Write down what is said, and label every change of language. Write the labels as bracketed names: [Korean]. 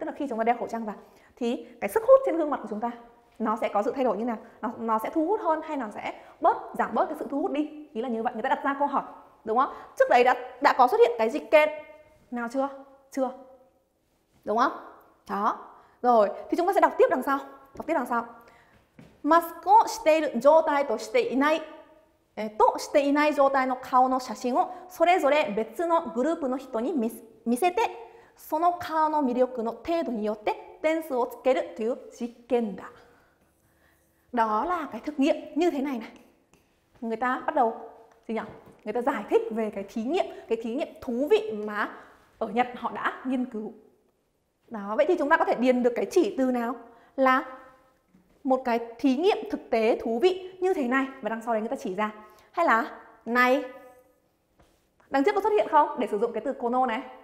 [Vietnamese] Tức là khi chúng ta đeo khẩu trang vào thì cái sức hút trên gương mặt của chúng ta nó sẽ có sự thay đổi như nào? Nó sẽ thu hút hơn hay nó sẽ bớt, giảm bớt cái sự thu hút đi? Ý là như vậy, người ta đặt ra câu hỏi, đúng không? Trước đấy đã có xuất hiện cái dịch kết nào chưa? Chưa. Đúng không? Đó. Rồi, thì chúng ta sẽ đọc tiếp đằng sau. Đọc tiếp đằng sau. [Japanese] Mask をしている状態としていない、としていない状態の顔の写真をそれぞれ別のグループの人に見せて、その顔の魅力の程度によって点数をつけるという実験だ。 [Vietnamese] Đó là cái thực nghiệm như thế này này. Người ta bắt đầu gì nhỉ? Người ta giải thích về cái thí nghiệm thú vị mà ở Nhật họ đã nghiên cứu. Đó, vậy thì chúng ta có thể điền được cái chỉ từ nào là một cái thí nghiệm thực tế thú vị như thế này và đằng sau đấy người ta chỉ ra, hay là này đằng trước có xuất hiện không để sử dụng cái từ kono này